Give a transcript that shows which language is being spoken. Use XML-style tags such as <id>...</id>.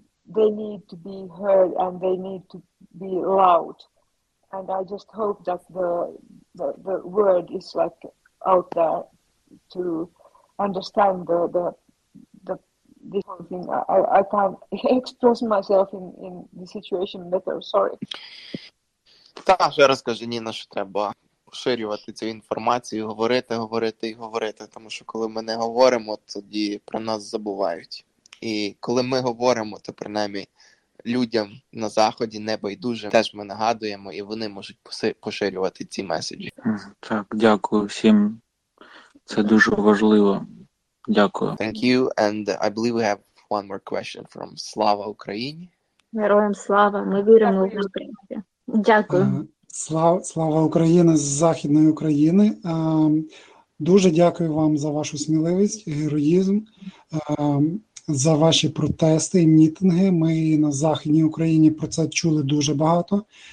<en>They need to be heard and they need to be loud. And I just hope that the word is like out there to understand the whole thing. I can't express myself in the situation better, sorry.</en> <uk>Саша, розкажи, Ніна, що треба поширювати цю інформацію, говорити, говорити і говорити, тому що коли ми не говоримо, тоді про нас забувають. І коли ми говоримо, то принаймні людям на Заході небайдуже, теж ми нагадуємо, і вони можуть поширювати ці меседжі. Так, дякую всім. Це дуже важливо. Дякую.</uk> <en>Thank you, and I believe we have one more question from</en> <uk>Slava Україні. Героям слава, ми віримо в Україну. Дякую. Слава Україна з Західної України. Дуже дякую вам за вашу сміливість, героїзм, за ваші протести і мітинги. Ми на Західній Україні про це чули дуже багато.</uk>